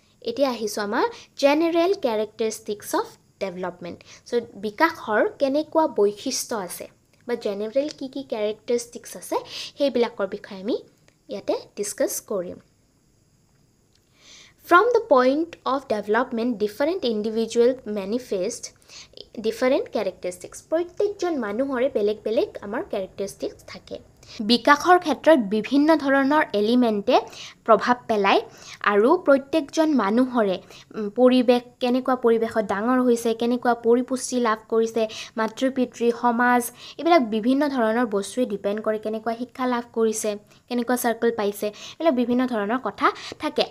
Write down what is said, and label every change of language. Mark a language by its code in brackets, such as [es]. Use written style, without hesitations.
[as] এতিয়া আহিছোঁ আমাৰ [en] General characteristics of development. [as] চ' বিকাশৰ কেনেকুৱা বৈশিষ্ট্য আছে বা জেনেৰেল কি কি কেৰেক্টাৰিষ্টিক্স আছে সেইবিলাকৰ বিষয়ে আমি ইয়াতে ডিছকাছ কৰিম। [en] From the point of development, different individuals manifest different characteristics. [as] প্ৰত্যেকজন মানুহৰে বেলেগ বেলেগ আমাৰ কেৰেক্টাৰিষ্টিক্স থাকে। বিকাশৰ ক্ষেত্ৰত বিভিন্ন ধৰণৰ এলিমেণ্টে প্ৰভাৱ পেলায়, আৰু প্ৰত্যেকজন মানুহৰে পৰিৱেশ, কেনেকুৱা পৰিৱেশত ডাঙৰ হৈছে, কেনেকুৱা পৰিপুষ্টি লাভ কৰিছে, মাতৃ পিতৃ, সমাজ, এইবিলাক বিভিন্ন ধৰণৰ বস্তুৱে ডিপেণ্ড কৰে, কেনেকুৱা শিক্ষা লাভ কৰিছে, কেনেকুৱা চাৰ্কল পাইছে, এইবিলাক বিভিন্ন ধৰণৰ কথা থাকে।